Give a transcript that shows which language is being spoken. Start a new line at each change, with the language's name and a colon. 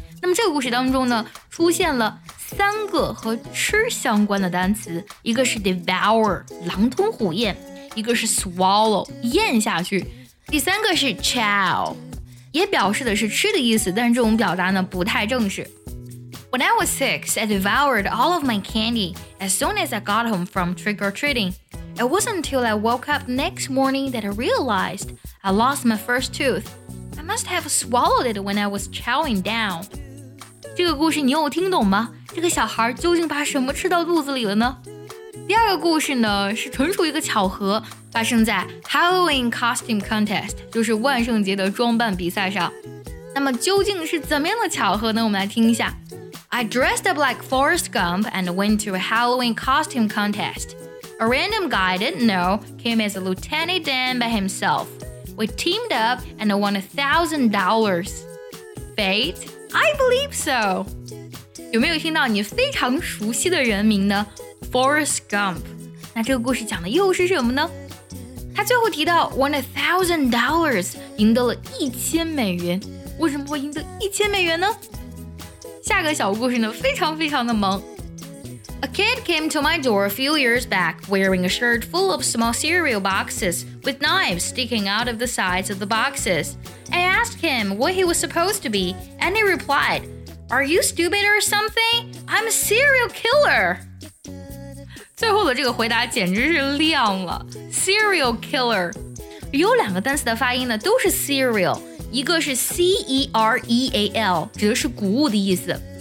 Chinese: 那么这个故事当中呢出现了三个和吃相关的单词，一个是 devour 狼吞虎咽，一个是 swallow 咽下去，第三个是 chow 也表示的是吃的意思，但是这种表达呢不太正式。
English: When I was six, I devoured all of my candy as soon as I got home from trick or treating. It wasn't until I woke up next morning that I realized I lost my first tooth. I must have swallowed it when I was chowing down.
Chinese: 这个故事你有听懂吗？这个小孩究竟把什么吃到肚子里了呢？第二个故事呢是纯属一个巧合，发生在 Halloween Costume Contest， 就是万圣节的装扮比赛上。那么究竟是怎么样的巧合呢？我们来听一下。
English: I dressed up like Forrest Gump and went to a Halloween Costume Contest. A random guy I didn't know came as a Lieutenant Dan by himself. We teamed up and won $1,000. Fate? I believe so.
Chinese: 有没有听到你非常熟悉的人名呢？
English: Forrest Gump.
Chinese: 那这个故事讲的又是什么呢？他最后提到
English: won $1,000,
Chinese: 赢得了$1,000。为什么会赢得$1,000呢？下个小故事呢，非常非常的萌。
English: A kid came to my door a few years back wearing a shirt full of small cereal boxes with knives sticking out of the sides of the boxes. I asked him what he was supposed to be, and he replied, Are you stupid or something? I'm a serial killer!
Chinese: 最后的这个回答简直是亮了。
English: Serial killer.
Chinese: 有两个单词的发音呢都是 cereal, 一个是 C-E-R-E-A-L, 指的是谷物的意思。